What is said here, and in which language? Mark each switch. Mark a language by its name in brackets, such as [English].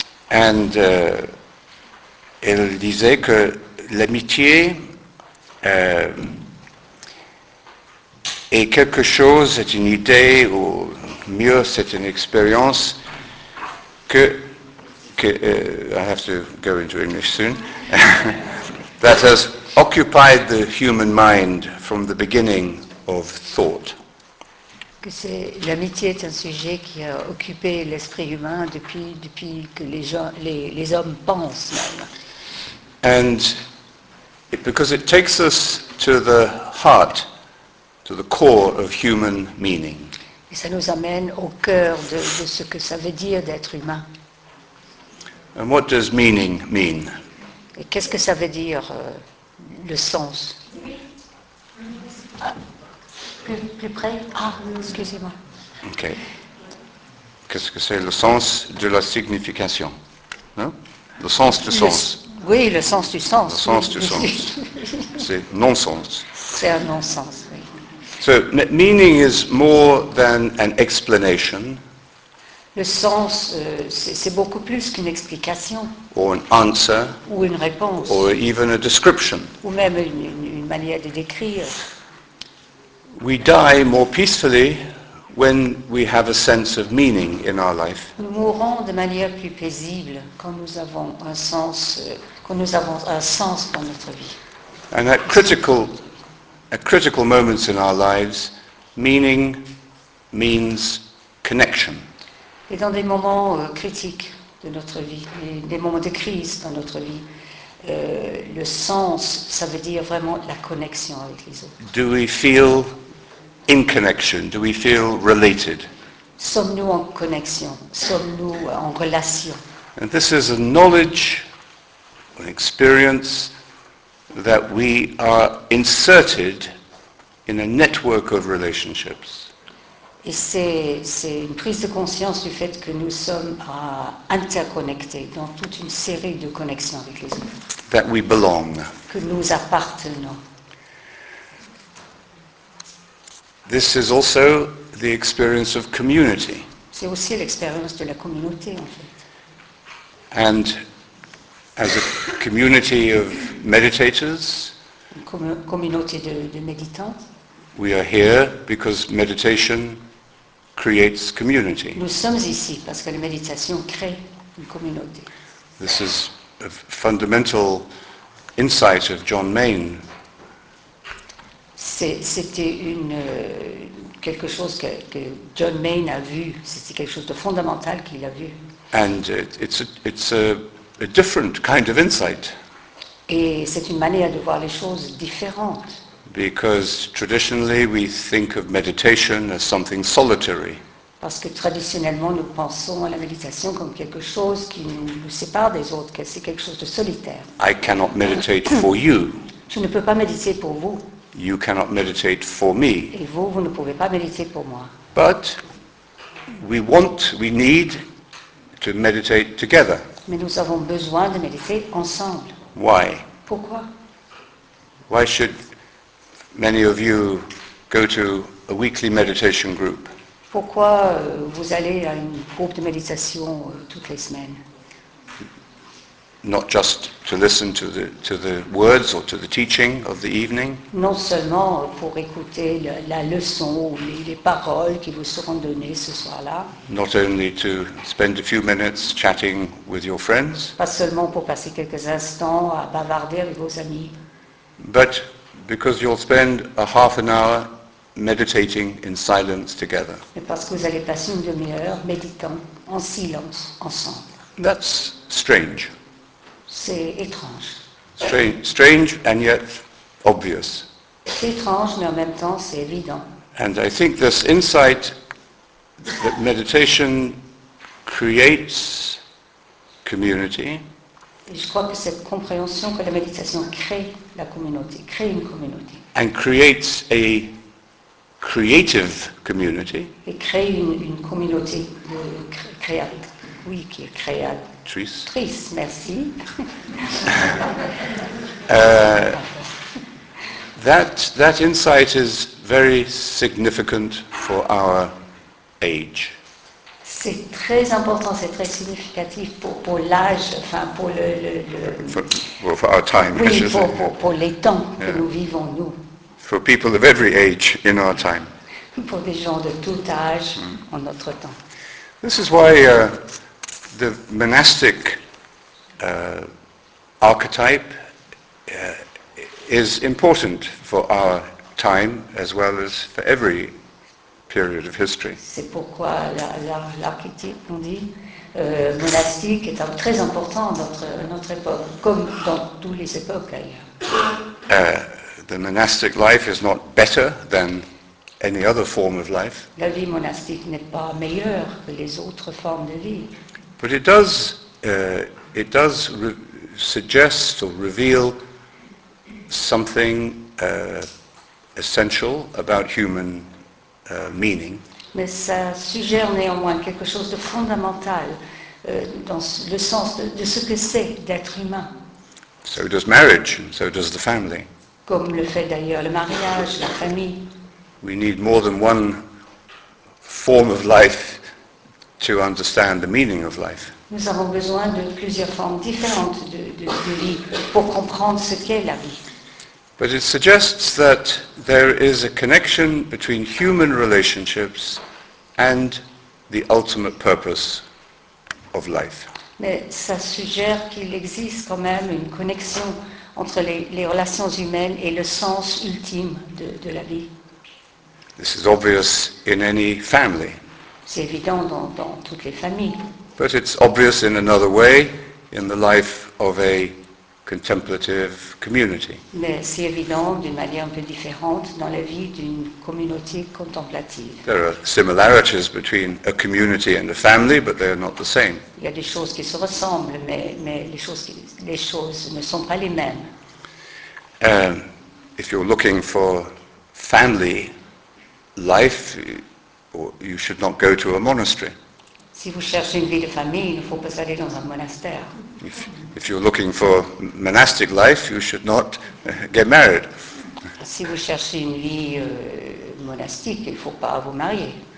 [French] Elle disait que l'amitié est quelque chose, c'est une idée, ou mieux, c'est une expérience que [English] I have to go into English soon, that has occupied the human mind from the beginning of thought. [French] L'amitié est un sujet qui a occupé l'esprit humain depuis que les hommes pensent même. [English] And because it takes us to the heart, to the core of human meaning. [French] Et ça nous amène au cœur de ce que ça veut dire d'être humain. [English] And what does meaning mean? [French] Et qu'est-ce que ça veut dire, le sens? Plus près? Excusez-moi. Ok. Qu'est-ce que c'est le sens de la signification? Non? Le sens du sens. Oui, le sens du sens. Le sens du sens. C'est non-sens. C'est un non-sens, oui. [English] So, meaning is more than an explanation. [French] Le sens, c'est beaucoup plus qu'une explication. [English] Or an answer. [French] Ou une réponse. [English] Or even a description. [French] Ou même une manière de décrire. [English] We die more peacefully when we have a sense of meaning in our life. [French] Nous mourons de manière plus paisible quand nous avons un sens dans notre vie. [English] And at critical moments in our lives, meaning means connection. [French] Et dans des moments critiques de notre vie, des moments de crise dans notre vie, le sens, ça veut dire vraiment la connexion avec les autres. [English] Do we feel in connection? Do we feel related? [French] Sommes-nous en connexion? Sommes-nous en relation? [English] And this is a knowledge, an experience, that we are inserted in a network of relationships. [French] Et c'est une prise de conscience du fait que nous sommes interconnectés dans toute une série de connexions avec les autres. [English] That we belong. [French] Que nous appartenons. [English] This is also the experience of community. [French] C'est aussi l'expérience de la communauté, en fait. [English] And as a community of meditators, [French] communauté de méditants, [English] we are here because meditation creates community. [French] Nous sommes ici parce que la méditation crée une communauté. [English] This is a fundamental insight of John Maine. [French] C'était quelque chose que John Maine a vu. C'était quelque chose de fondamental qu'il a vu. [English] And it's a different kind of insight. [French] Et c'est une manière de voir les choses différente. [English] Because traditionally we think of meditation as something solitary. [French] Parce que traditionnellement nous pensons à la méditation comme quelque chose qui nous sépare des autres, que c'est quelque chose de solitaire. [English] I cannot meditate for you. [French] Je ne peux pas méditer pour vous. [English] You cannot meditate for me. [French] Et vous ne pouvez pas méditer pour moi. [English] But we need to meditate together. [French] Mais nous avons besoin de méditer ensemble. [English] Why? [French] Pourquoi? [English] Why should many of you go to a weekly meditation group? [French] Pourquoi vous allez à une groupe de méditation toutes les semaines? [English] Not just to listen to the words or to the teaching of the evening. [French] Non seulement pour écouter la leçon ou les paroles qui vous seront données ce soir-là. [English] Not only to spend a few minutes chatting with your friends. [French] Pas seulement pour passer quelques instants à bavarder avec vos amis. [English] But because you'll spend a half an hour meditating in silence together. [French] Mais parce que vous allez passer une demi-heure méditant en silence ensemble. [English] That's strange. [French] C'est étrange. [English] Strange and yet obvious. [French] C'est étrange, mais en même temps, c'est évident. [English] And I think this insight that meditation creates community. [French] Et je crois que cette compréhension que la méditation crée la communauté, crée une communauté. [English] And creates a creative community. [French] Et crée une communauté de créateurs. Oui, qui est créable. Tris, merci. [English] That insight is very significant for our age. [French] C'est très important, c'est très significatif pour l'âge, enfin pour le [English] for our time. [French] Oui, pour les temps que nous vivons nous. [English] For people of every age in our time. [French] Pour des gens de tout âge en notre temps. [English] This is why. The monastic archetype is important for our time as well as for every period of history. [French] C'est pourquoi l'archétype, on dit, monastique est très important dans notre époque, comme dans toutes les époques ailleurs. [English] The monastic life is not better than any other form of life. [French] La vie monastique n'est pas meilleure que les autres formes de vie. [English] But it does suggest or reveal something essential about human meaning. [French] Mais ça suggère néanmoins quelque chose de fondamental dans le sens de ce que c'est d'être humain. [English] So does marriage, and so does the family. [French] Comme le fait d'ailleurs le mariage, la famille. [English] We need more than one form of life to understand the meaning of life. [French] Nous avons besoin de plusieurs formes différentes de vie pour comprendre ce qu'est la vie. [English] But it suggests that there is a connection between human relationships and the ultimate purpose of life. [French] Mais ça suggère qu'il existe quand même une connexion entre les relations humaines et le sens ultime de la vie. [English] This is obvious in any family. [French] C'est évident dans toutes les familles. [English] But it's obvious in another way in the life of a contemplative community. [French] Mais c'est évident d'une manière un peu différente dans la vie d'une communauté contemplative. [English] There are similarities between a community and a family, but they are not the same. [French] Il y a des choses qui se ressemblent, mais les choses ne sont pas les mêmes. [English] If you're looking for family life, you should not go to a monastery. [French] Si vous cherchez une vie de famille, il ne faut pas aller dans un monastère. [English] If you're looking for monastic life, you should not get married. [French] Si vous cherchez une vie monastique, il ne faut pas vous marier.